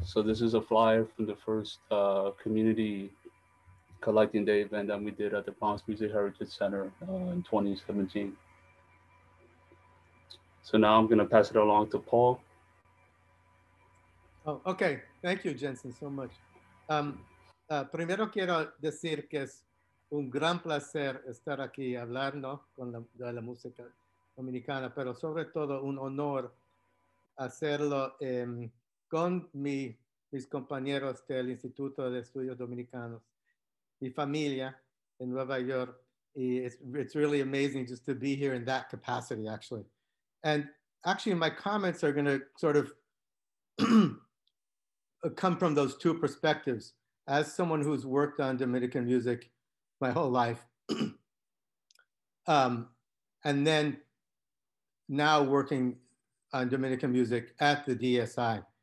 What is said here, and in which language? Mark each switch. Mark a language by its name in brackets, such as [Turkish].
[English] So this is a flyer from the first community collecting day event that we did at the Ponce Music Heritage Center in 2017. So now I'm gonna pass it along to Paul. Oh, okay, thank you, Jhensen, so much. [Spanish] Primero quiero decir que es un gran placer estar aquí hablando con la música dominicana, pero sobre todo un honor hacerlo con mis compañeros del Instituto de Estudios Dominicanos. Mi familia en Nueva York. [English] It's really amazing just to be here in that capacity, actually. And actually my comments are gonna sort of come from those two perspectives. As someone who's worked on Dominican music my whole life, and then now working on Dominican music at the DSI.